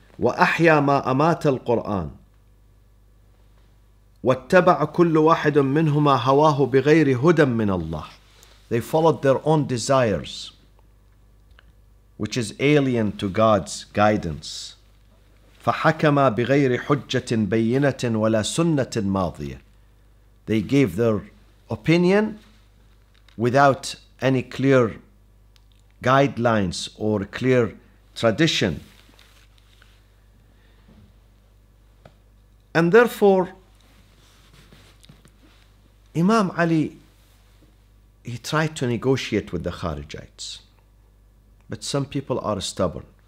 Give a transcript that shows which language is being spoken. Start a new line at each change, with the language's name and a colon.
Arabic: وَأَحْيَى مَا أَمَاتَ الْقُرْآنِ. وَاتَّبَعَ كُلُّ وَاحِدٌ مِّنْهُمَا هَوَاهُ بِغَيْرِ هُدًى مِّنَ اللَّهِ.
English: They followed their own desires, which is alien to God's guidance.
Arabic: فحكما بغير حجة بينة ولا سنة ماضية.
English: They gave their opinion without any clear guidelines or clear tradition. And therefore, Imam Ali, he tried to negotiate with the Kharijites, but some people are stubborn.